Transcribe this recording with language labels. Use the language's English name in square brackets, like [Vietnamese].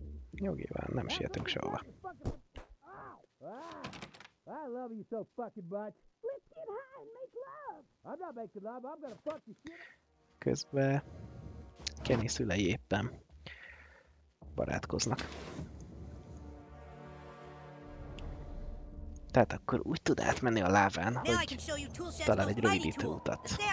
[Hungarian] Nyugiván, nem sietünk sehova. [English] I love you so fucking much. Let's get high and make love. I'm not making love, I'm gonna fuck you. [Hungarian] Közben Kenny szülei éppen barátkoznak. Tehát akkor úgy tud átmenni a láván, hogy talál egy rövidítő utat.